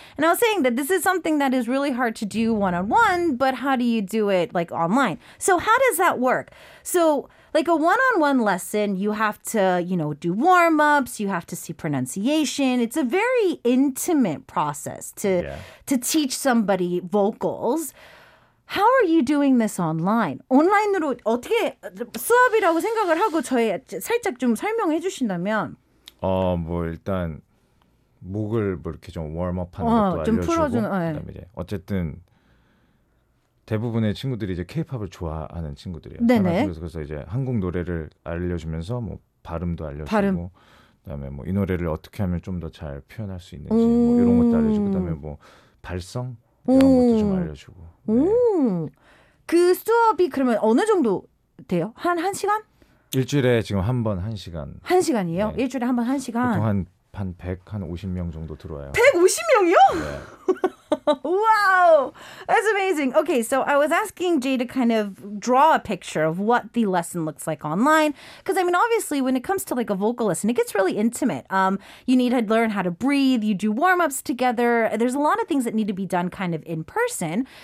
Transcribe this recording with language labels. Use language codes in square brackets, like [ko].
[en] And I was saying that this is something that is really hard to do one-on-one, but how do you do it like online? So how does that work? So like a one-on-one lesson, you have to, you know, do warm-ups, you have to see pronunciation. It's a very intimate process to teach somebody vocals. How are you doing this online? [ko] 온라인으로 어떻게 수업이라고 생각을 하고 저희 살짝 좀 설명해 주신다면 뭐 일단 목을 뭐 이렇게 좀 웜업하는 것도 알려주고 좀 풀어주는, 그다음에 이제 어쨌든 대부분의 친구들이 이제 K-pop을 좋아하는 친구들이에요. 네네. 그래서 이제 한국 노래를 알려주면서 뭐 발음도 알려주고 발음. 그다음에 뭐 이 노래를 어떻게 하면 좀 더 잘 표현할 수 있는지 뭐 이런 것도 알려주고 그다음에 뭐 발성 이런 것도 좀 알려주고 네. 그 수업이 그러면 어느 정도 돼요? 한 시간? 일주일에 지금 한 번 한 시간 한 시간이에요? 네. 일주일에 한 번 한 시간? 보통 한 150명 정도 들어와요. 150명이요? [en] Yeah. Wow! That's amazing. Okay, so I was asking Jay to kind of draw a picture of what the lesson looks like online. Because, I mean, obviously, when it comes to, like, a vocal lesson, it gets really intimate. You need to learn how to breathe. You do warm-ups together. There's a lot of things that need to be done kind of in person.